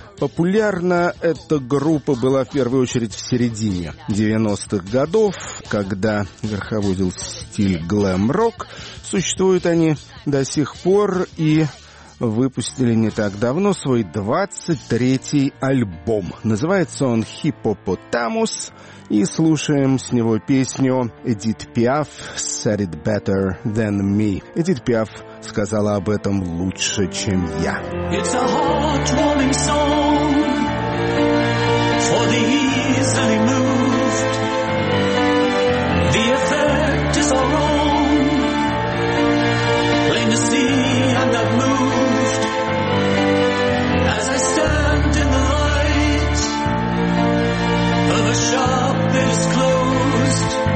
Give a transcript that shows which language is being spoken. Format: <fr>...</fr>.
<ru>Популярна эта группа была в первую очередь в середине 90-х годов, когда верховодил стиль глэм-рок. Существуют они до сих пор и выпустили не так давно свой 23-й альбом. Называется он «Hippopotamus», и слушаем с него песню «Edith Piaf said it better than me». Edith Piaf сказала об этом лучше, чем я.</ru> <en>It's a heartwarming song for the easily moved. The effect is all wrong. Plain to see I'm not moved. As I stand in the light of a shop that is closed.</en>